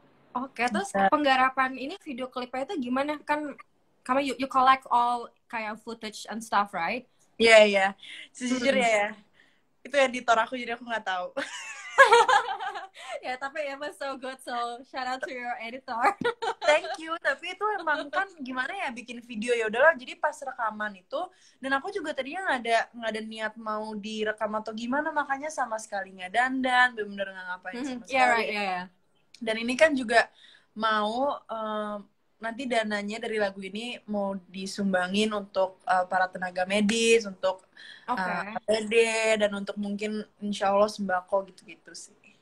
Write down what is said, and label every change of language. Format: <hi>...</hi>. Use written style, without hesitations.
<id>Oke, terus penggarapan ini video klipnya itu gimana? Kan kamu</id> <en>you collect all</en> <id>kayak</id> <en>footage and stuff, right?</en> <id>Iya, iya. Sejujurnya ya. Itu editor aku, jadi aku nggak tahu. Ya, tapi</id> <en>it was so good, so shout out to your editor. Thank you,</en> <id>tapi itu emang kan gimana ya, bikin video ya udahlah. Jadi pas rekaman itu, dan aku juga tadinya nggak ada niat mau direkam atau gimana, makanya sama sekali nggak dandan, bener-bener nggak ngapain sama sekali.</id> <en>Yeah, right, yeah, yeah.</en> <id>Dan ini kan juga mau nanti dananya dari lagu ini mau disumbangin untuk para tenaga medis, untuk APD, dan untuk mungkin insya Allah sembako gitu-gitu sih.</id>